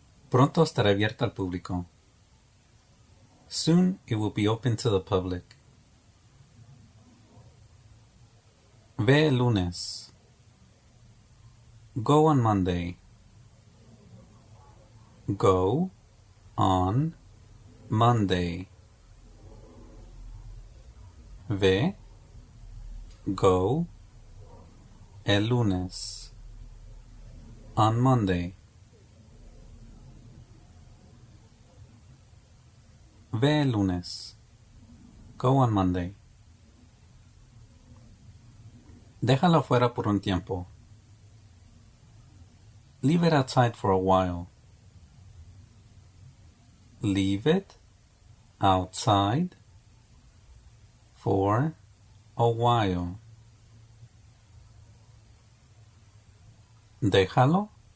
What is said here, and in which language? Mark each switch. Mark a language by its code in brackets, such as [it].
[es] Pronto estará abierto al público. [en] Soon it will be open to the public. [es] Ve el lunes. [en] Go on Monday. Go on Monday. [es] Ve. [en] Go. [es] El lunes. [en] On Monday. [es] Ve el lunes. [en] Go on Monday. [es] Déjalo fuera por un tiempo. [en] Leave it outside for a while. Leave it outside for a while. [es] Déjalo.